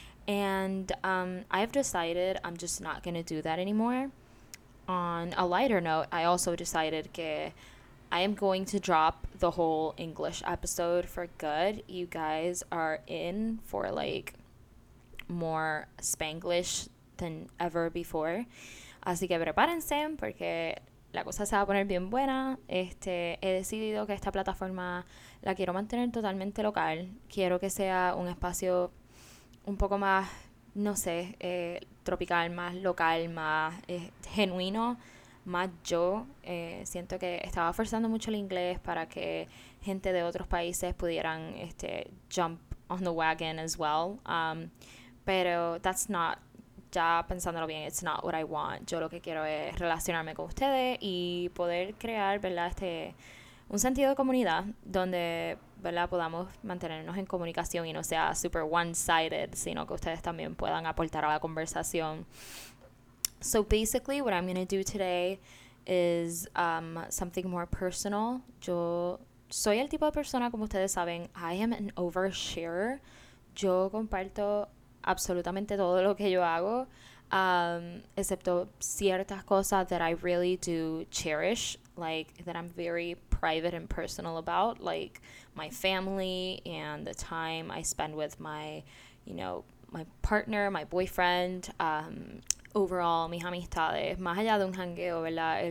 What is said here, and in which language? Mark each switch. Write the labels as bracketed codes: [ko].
[en] And I've decided I'm just not going to do that anymore. On a lighter note, I also decided that I am going to drop the whole English episode for good. You guys are in for, like, more Spanglish than ever before. [es] Así que prepárense porque la cosa se va a poner bien buena. He decidido que esta plataforma la quiero mantener totalmente local. Quiero que sea un espacio un poco más, no sé, tropical, más local, más genuino, más yo. Siento que estaba forzando mucho el inglés para que gente de otros países pudieran [en] jump on the wagon as well. Pero that's not... [es] Ya pensándolo bien, [en] it's not what I want. [es] Yo lo que quiero es relacionarme con ustedes y poder crear, ¿verdad?, un sentido de comunidad donde, ¿verdad?, podamos mantenernos en comunicación y no sea [en] super one-sided, [es] sino que ustedes también puedan aportar a la conversación. [en] So basically, what I'm going to do today is something more personal. [es] Yo soy el tipo de persona, como ustedes saben, [en] I am an oversharer. [es] Yo comparto absolutamente todo lo que yo hago, excepto ciertas cosas [en] that I really do cherish, like that I'm very private and personal about, like my family and the time I spend with my, you know, my partner, my boyfriend, overall, [es] mis amistades, más allá de un jangueo, ¿verdad?